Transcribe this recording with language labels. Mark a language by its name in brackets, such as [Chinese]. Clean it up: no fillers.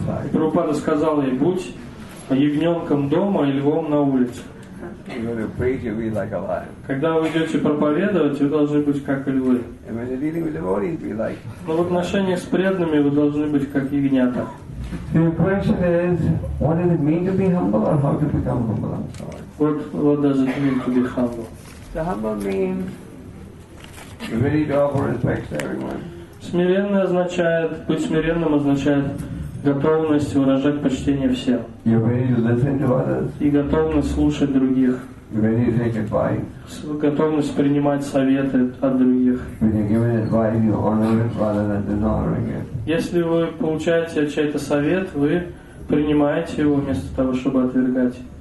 [Russian] Прабхупада сказал ей: будь ягненком дома и львом на улице. Когда вы идете проповедовать, вы должны быть как львы. Но в отношении с преданными вы должны быть как ягнята. [English] The question is, what does it mean to be humble, or how to become humble? I'm sorry. What does it mean to be humble? The humble means ready to offer respect to everyone. [Russian] Смиренный означает, быть смиренным означает готовность выражать почтение всем. [English] You're ready to listen to others. [Russian] И готовность слушать других. [English] You're ready to take advice. [Russian] Готовность принимать советы от других. [English] When you're giving advice, you honor it rather than dishonoring it. [Russian] Если вы получаете чей-то совет, вы принимаете его вместо того, чтобы отвергать.